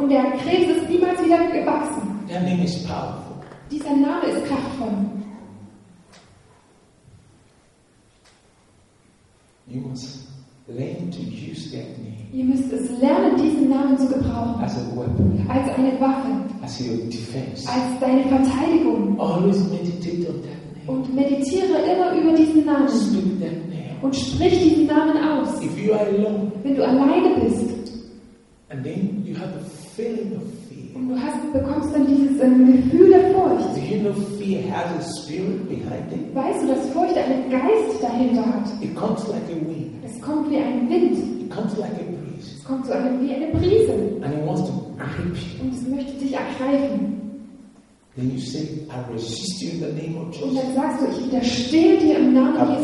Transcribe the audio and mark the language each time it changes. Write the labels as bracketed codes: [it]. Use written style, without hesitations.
[de] Und der Krebs ist niemals wieder gewachsen. [en] Their name is powerful. [de] Dieser Name ist kraftvoll. [en] You must learn to use that name. [de] Ihr müsst es lernen, diesen Namen zu gebrauchen. [en] As a weapon. [de] Als eine Waffe. [en] As your defense. [de] Als deine Verteidigung. [en] Always meditate on that name. [de] Und meditiere immer über diesen Namen. [en] Speak that name. [de] Und sprich diesen Namen aus. [en] If you are alone, [de] wenn du alleine bist. [en] And then you have a feeling of fear. [de] Und du bekommst dann dieses Gefühl der Furcht. [en] Do you know fear has a spirit behind it? [de] Weißt du, dass Furcht einen Geist dahinter hat? [en] It comes like a wind. [de] Es kommt wie ein Wind. [en] Comes like a breeze. [de] Es kommt so wie eine Brise. [en] And it wants to grip you. [de] Und es möchte dich ergreifen. [en] Then you say, I resist you in the name of Jesus. [de] Und dann sagst du, ich widerstehe dir im Namen Jesus.